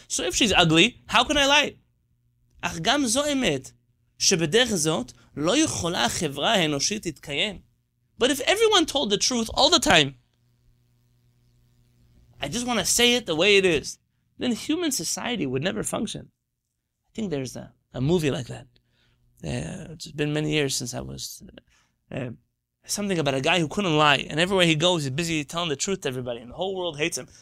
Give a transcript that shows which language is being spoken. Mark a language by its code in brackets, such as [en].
[en] So if she's ugly, how can I lie? [he] אך גם זו אמת, שבדרך זאת לא יכולה החברה האנושית להתקיים. [en] But if everyone told the truth all the time, I just want to say it the way it is, then human society would never function. I think there's a movie like that. It's been many years since I was... something about a guy who couldn't lie, and everywhere he goes, he's busy telling the truth to everybody, and the whole world hates him.